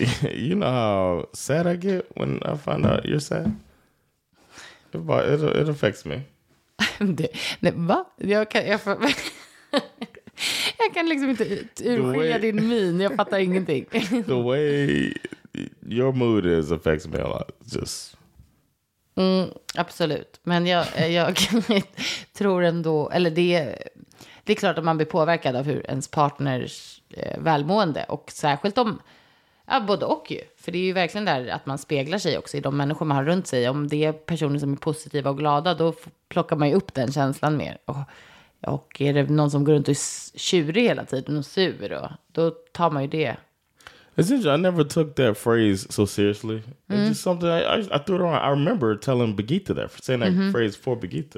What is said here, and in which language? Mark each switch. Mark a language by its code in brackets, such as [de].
[en] You know how sad I get when I find out you're sad? It affects me. [sv] Nej, va? Jag kan liksom inte urskilja din min. Jag fattar ingenting. [en] The way your mood is affects me a lot. [sv] Just. Absolut. Men jag tror ändå... Eller det är klart att man blir påverkad av hur ens partners välmående. Och särskilt om... Ja, både och ju. För det är ju verkligen där att man speglar sig också i de människor man har runt sig. Om det är personer som är positiva och glada, då plockar man ju upp den känslan mer. Och är det någon som går runt och är tjurig hela tiden och sur, då tar man ju det. [en] It's interesting, I never took that phrase so seriously. It's just something I threw it around. I remember telling Birgitta that, for saying that phrase for Birgitta.